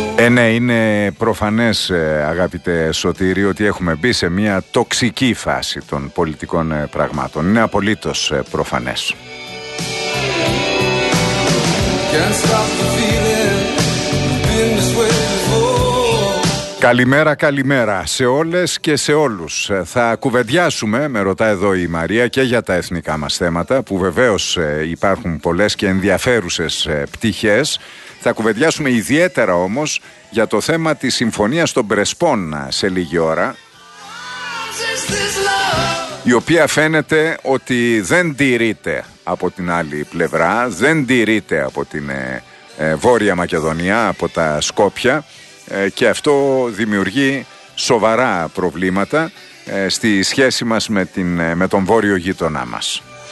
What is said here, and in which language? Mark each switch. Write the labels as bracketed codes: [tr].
[el] Ναι, είναι προφανές αγαπητέ Σωτήρη ότι έχουμε μπει σε μια τοξική φάση των πολιτικών πραγμάτων. Είναι απολύτως προφανές. [en] Can't stop the feeling, been this way before. [el] Καλημέρα, καλημέρα σε όλες και σε όλους. Θα κουβεντιάσουμε, με ρωτά εδώ η Μαρία, και για τα εθνικά μας θέματα, που βεβαίως υπάρχουν πολλές και ενδιαφέρουσες πτυχές. Θα κουβεντιάσουμε ιδιαίτερα όμως για το θέμα της συμφωνίας των Πρεσπών σε λίγη ώρα, η οποία φαίνεται ότι δεν τηρείται από την άλλη πλευρά, δεν τηρείται από την Βόρεια Μακεδονία, από τα Σκόπια, και αυτό δημιουργεί σοβαρά προβλήματα στη σχέση μας με τον βόρειο γείτονά μας.